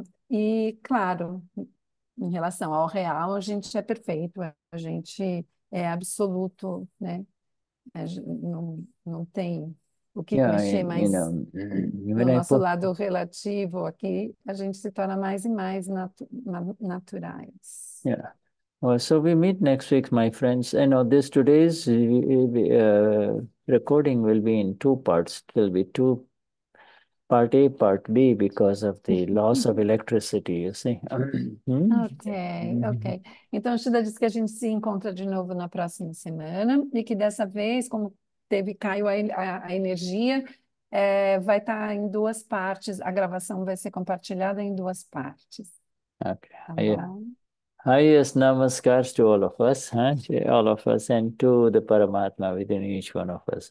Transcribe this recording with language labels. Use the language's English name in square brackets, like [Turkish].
[Portuguese] E claro, em relação ao real, a gente é perfeito, a gente é absoluto, né? Não tem o que mexer, mas no nosso lado relativo aqui, a gente se torna mais e mais naturais. [English] Well, so we meet next week, my friends. I know this today's recording will be in two parts. It will be two, part A, part B, because of the loss of electricity, you see. Ok. [Portuguese] Então, Chida disse que a gente se encontra de novo na próxima semana e que dessa vez, como caiu a energia, vai estar em duas partes, a gravação vai ser compartilhada em duas partes. Tá bom? [English] Highest namaskars to all of us, huh? All of us, and to the Paramatma within each one of us.